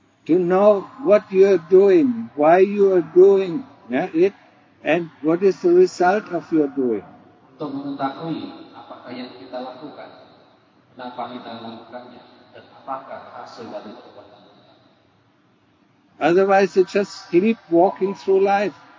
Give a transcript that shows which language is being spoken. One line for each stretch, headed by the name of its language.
English: To know what you are doing, why you are doing it, and what is the result of your doing.
Indonesian: Untuk mengetahui apakah yang kita lakukan, kenapa kita melakukannya, dan apakah hasil dari perbuatan kita.
English: Otherwise, it's just sleep walking through life.